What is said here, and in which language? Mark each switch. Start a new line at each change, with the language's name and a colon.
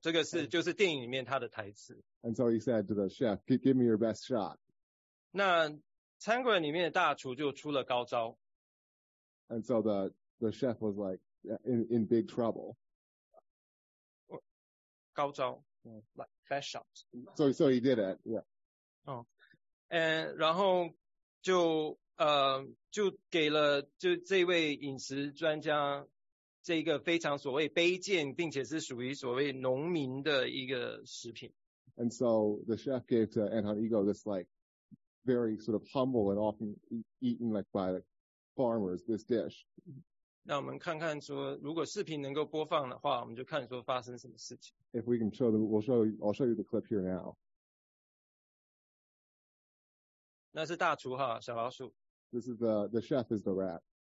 Chinese: 这个是就是电影里面他的台词。
English: And so he said to the chef, give me your best shot.
Chinese: 那餐馆里面的大厨就出了高招。
English: And so the chef was like, in big trouble.
Chinese: 高招。
English: Like, best shot. So he did it, yeah. Oh.
Chinese: And 然后就给了就这位饮食专家这一个非常所谓卑贱并且是属于所谓农民的一个食品。
English: And so the chef gave to Anton Ego this like very sort of humble and often eaten like by farmers this dish.
Chinese: 那我们看看说如果视频能够播放的话我们就看说发生什么事情。
English: If we can show them, I'll show you the clip here now.
Chinese: 那是大厨哈，小老鼠。
English: This is the chef is the rat.